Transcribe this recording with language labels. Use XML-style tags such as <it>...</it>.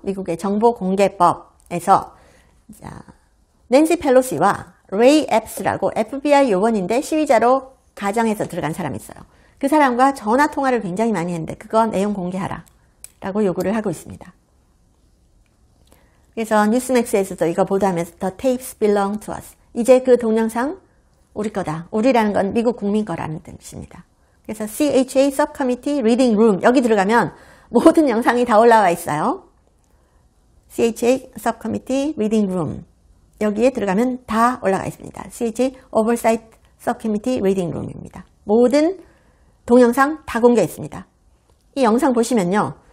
<ko>미국의 정보공개법에서, 자, 낸시 펠로시와 레이 앱스라고 FBI 요원인데 시위자로 가정해서 들어간 사람이 있어요. 그 사람과 전화 통화를 굉장히 많이 했는데 그거 내용 공개하라 라고 요구를 하고 있습니다. 그래서 뉴스맥스에서도 이거 보도하면서</ko> <en>The tapes belong to us.</en> <ko>이제 그 동영상 우리 거다. 우리라는 건 미국 국민 거라는 뜻입니다. 그래서 CHA Subcommittee Reading Room 여기 들어가면 모든 영상이 다 올라와 있어요.</ko> <en>CHA Subcommittee Reading Room.</en> <ko>여기에 들어가면 다 올라가 있습니다. CHA Oversight Subcommittee Reading Room입니다. 모든 동영상 다 공개했습니다. 이 영상 보시면요.</ko>